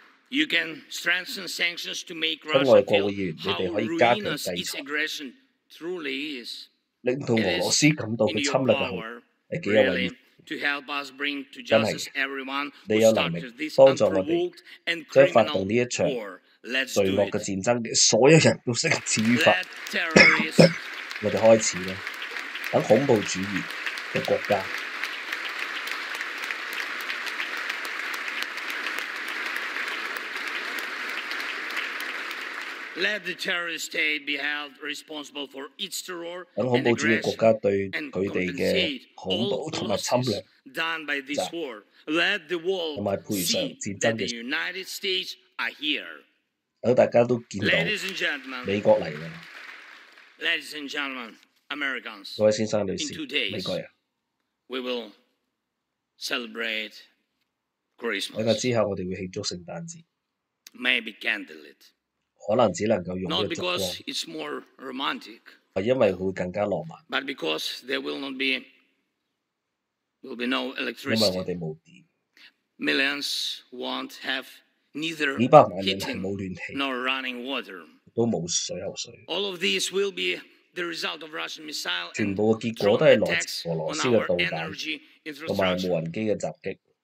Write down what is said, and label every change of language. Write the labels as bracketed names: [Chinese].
[English] You can strengthen sanctions to make Russia feel how ruinous its aggression truly is. It is in your power, really, to help us bring to justice everyone who started this unprovoked and criminal war. Let's do it. Let terrorists, [Cantonese] 我們開始吧，等恐怖主義的國家。 [English] Let the terrorist state be held responsible for its terror and aggression and compensate all losses done by this war. Let the world see that the United States are here. [Cantonese] 等大家都見到美國嚟啦。 [English] Ladies and gentlemen, Americans. [Cantonese] 各位先生女士，美國人。 [English] We will celebrate Christmas. [Cantonese] 兩日之後，我哋會慶祝聖誕節。 [English] Maybe candlelit. [Cantonese] 可能只能夠用一個燭光，係因為會更加浪漫。 [English] But because there will be no electricity. [Cantonese] 因為我哋冇電。 [English] Millions won't have neither heating nor running water. [Cantonese] 都冇水喉水。 [English] All of these will be the result of Russian missile. [Cantonese] 全部嘅結果都係來自俄羅斯嘅導彈同埋無人機嘅襲擊。